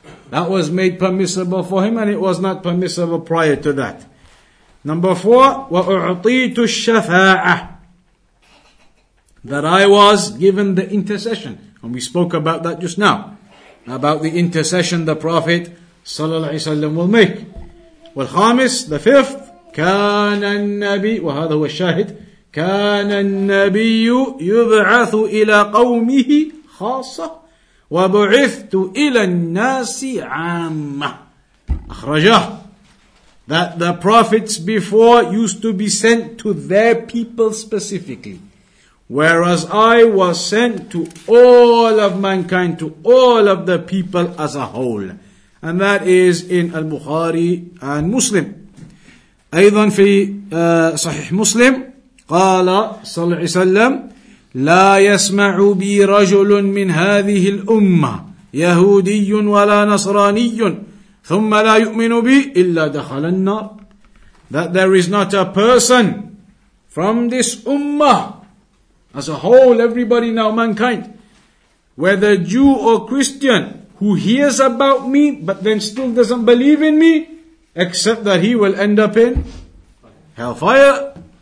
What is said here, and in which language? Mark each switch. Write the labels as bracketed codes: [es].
[en] That was made permissible for him and it was not permissible prior to that. Number four, [ar] وَأُعْطِيتُ الشَّفَاعَةِ. [en] That I was given the intercession. And we spoke about that just now. About the intercession the Prophet ﷺ will make. [ar] والخامس, [en] the fifth, [ar] كَانَ النَّبِيُّ وَهَذَا هُوَ الشَّاهِدُ كان النبي يبعث إلى قومه خاصة وبعثت إلى الناس عامة. أخرجه. [en] That the prophets before used to be sent to their people specifically, whereas I was sent to all of mankind, to all of the people as a whole. And that is in Al-Bukhari and Muslim. [ar] أيضا في صحيح مسلم قال صلى الله عليه وسلم لا يسمع بي رجل من هذه الأمة يهودي ولا نصراني ثم لا يؤمن بي إلا دخل النار. [en] that there is not a person from this ummah, as a whole, everybody now, mankind, whether Jew or Christian, who hears about me, but then still doesn't believe in me, except that he will end up in hellfire.